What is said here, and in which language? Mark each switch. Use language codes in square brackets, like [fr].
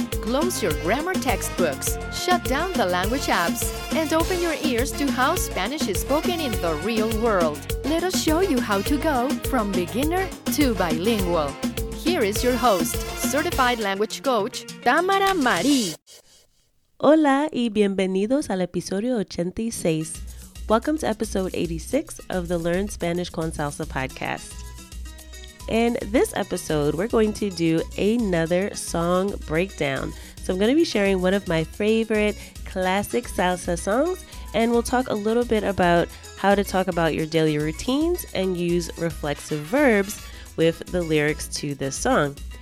[en] Close your grammar textbooks, shut down the language apps, and open your ears to how Spanish is spoken in the real world. Let us show you how to go from beginner to bilingual. Here is your host, certified language coach, Tamara Marí. [es] Hola y bienvenidos al episodio 86. [en] Welcome to episode 86 of the Learn Spanish Con Salsa podcast. In this episode, we're going to do another song breakdown. So I'm going to be sharing one of my favorite classic salsa songs, and we'll talk a little bit about how to talk about your daily routines and use reflexive verbs with the lyrics to this song.